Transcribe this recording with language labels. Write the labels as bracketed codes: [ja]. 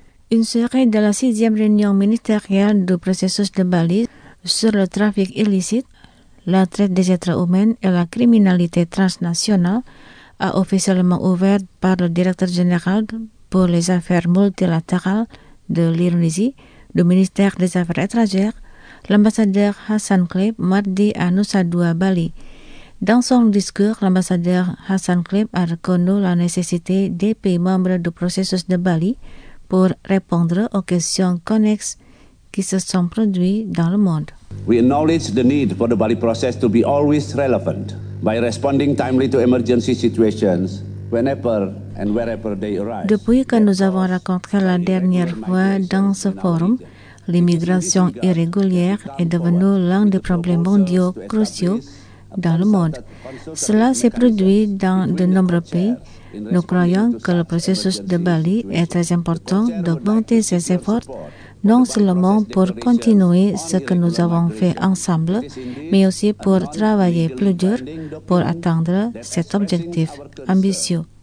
[fr] Une soirée de la 6e réunion ministérielle du processus de Bali sur le trafic illicite, la traite des êtres humains et la criminalité transnationale a officiellement ouvert par le directeur général pour les affaires multilatérales de l'Indonésie, du ministère des Affaires étrangères, l'ambassadeur Hassan Kleb, mardi à Nusa Dua, Bali. Dans son discours, l'ambassadeur Hassan Kleb a reconnu la nécessité des pays membres du processus de Bali pour répondre aux questions connexes qui se sont produites dans le monde. [en] We acknowledge the need for the Bali process to be always relevant by responding timely to emergency situations whenever and wherever they arise. [fr] Depuis que nous avons rencontré la dernière fois dans ce forum, l'immigration irrégulière est devenue l'un des problèmes mondiaux cruciaux dans le monde. Cela s'est produit dans de nombreux pays. Nous croyons que le processus de Bali est très important d'augmenter ses efforts, non seulement pour continuer ce que nous avons fait ensemble, mais aussi pour travailler plus dur pour atteindre cet objectif ambitieux.